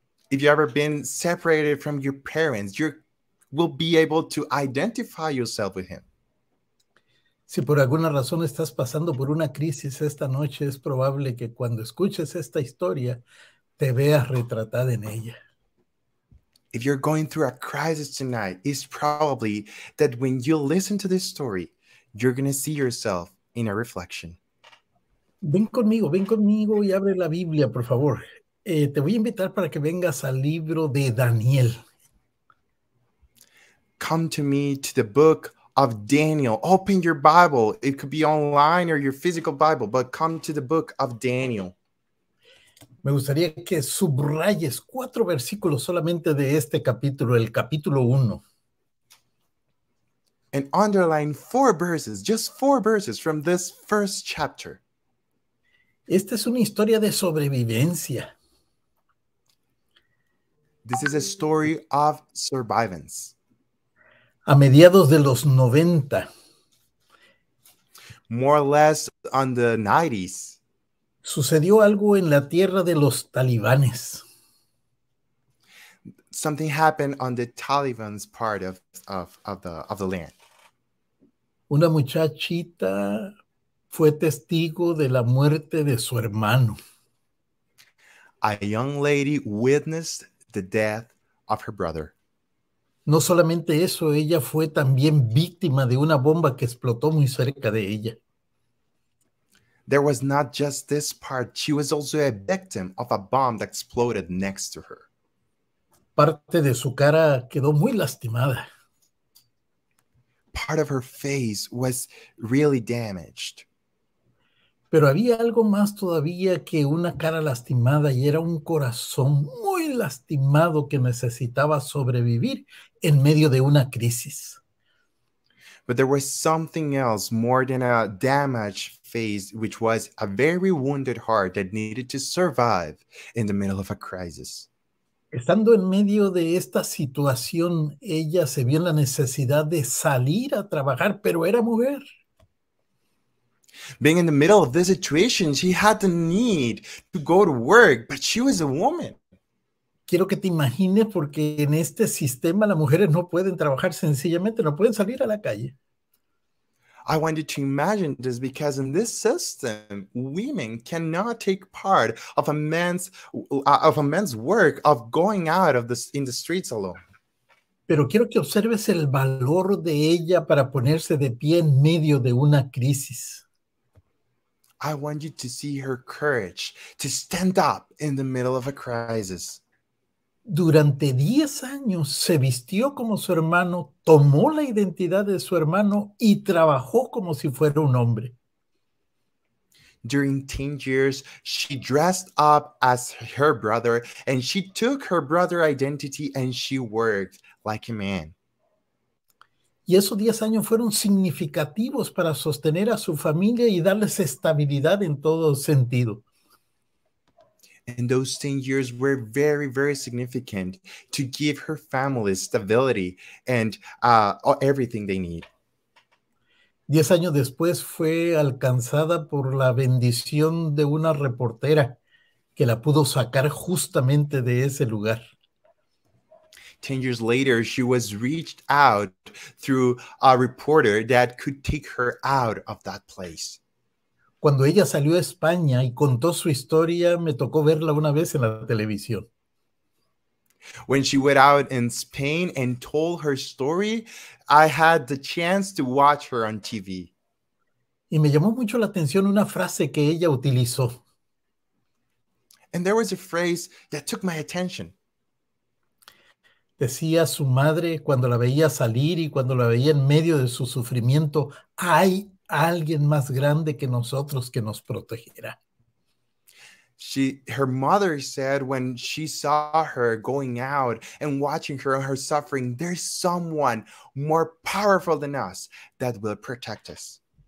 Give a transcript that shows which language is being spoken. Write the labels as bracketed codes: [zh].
[en] If you ever been separated from your parents, you will be able to identify yourself with him. [es] Si por alguna razón estás pasando por una crisis esta noche, es probable que cuando escuches esta historia, te veas retratada en ella. [en] If you're going through a crisis tonight, it's probably that when you listen to this story, you're going to see yourself in a reflection. [es] Ven conmigo y abre la Biblia, por favor. Te voy a invitar para que vengas al libro de Daniel. [en] Come to me to the book of Daniel. Open your Bible. It could be online or your physical Bible, but come to the book of Daniel. [es] Me gustaría que subrayes cuatro versículos solamente de este capítulo, el capítulo 1. [en] And underline four verses, just four verses from this first chapter. [es] Esta es una historia de sobrevivencia. [en] This is a story of survivance. [es] A mediados de los 90. [en] More or less on the 90s. [es] Sucedió algo en la tierra de los talibanes. [en] Something happened on the Taliban's part of the land. [es] Una muchachita fue testigo de la muerte de su hermano. [en] A young lady witnessed the death of her brother. [es] No solamente eso, ella fue también víctima de una bomba que explotó muy cerca de ella. [en] There was not just this part, she was also a victim of a bomb that exploded next to her. [es] Parte de su cara quedó muy lastimada. [en] Part of her face was really damaged. [es] Pero había algo más todavía que una cara lastimada y era un corazón muy lastimado que necesitaba sobrevivir en medio de una crisis. [en] But there was something else more than a damaged face, which was a very wounded heart that needed to survive in the middle of a crisis. [es] Estando en medio de esta situación, ella se vio en la necesidad de salir a trabajar, pero era mujer. [en] Being in the middle of this situation, she had the need to go to work, but she was a woman. [es] Quiero que te imagines porque en este sistema las mujeres no pueden trabajar sencillamente, no pueden salir a la calle. [en] I want you to imagine this because in this system, women cannot take part of a man's work of going out of this in the streets alone. [es] Pero quiero que observes el valor de ella para ponerse de pie en medio de una crisis. [en] I want you to see her courage to stand up in the middle of a crisis. [es] Durante 10 años se vistió como su hermano, tomó la identidad de su hermano y trabajó como si fuera un hombre. [en] During 10 years, she dressed up as her brother and she took her brother identity and she worked like a man. [es] Y esos 10 años fueron significativos para sostener a su familia y darles estabilidad en todo sentido. [en] And those 10 years were very, very significant to give her family stability and everything they need. [es] 10 años después fue alcanzada por la bendición de una reportera que la pudo sacar justamente de ese lugar. [en] 10 years later, she was reached out through a reporter that could take her out of that place. [es] Cuando ella salió a España y contó su historia, me tocó verla una vez en la televisión. [en] When she went out in Spain and told her story, I had the chance to watch her on TV. [es] Y me llamó mucho la atención una frase que ella utilizó. [en] And there was a phrase that took my attention. [es] Decía su madre cuando la veía salir y cuando la veía en medio de su sufrimiento, ¡ay! Alguien más grande que nosotros que nos protegerá. [en] Her mother said when she saw her going out and watching her on her suffering, there's someone more powerful than us that will protect us.